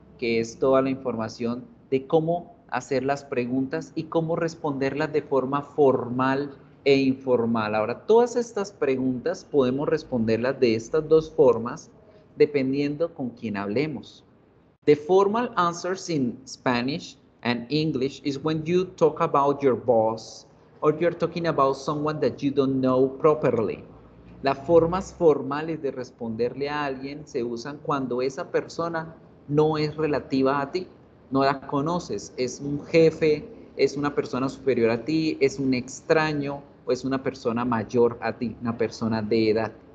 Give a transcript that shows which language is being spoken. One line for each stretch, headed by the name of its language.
Spanish: Que es toda la información de cómo hacer las preguntas y cómo responderlas de forma formal e informal. Ahora, todas estas preguntas podemos responderlas de estas dos formas dependiendo con quién hablemos.
English: The formal answers in Spanish and English is when you talk about your boss or you're talking about someone that you don't know properly.
Spanish: Las formas formales de responderle a alguien se usan cuando esa persona no es relativa a ti, no la conoces, es un jefe, es una persona superior a ti, es un extraño o es una persona mayor a ti, una persona de edad.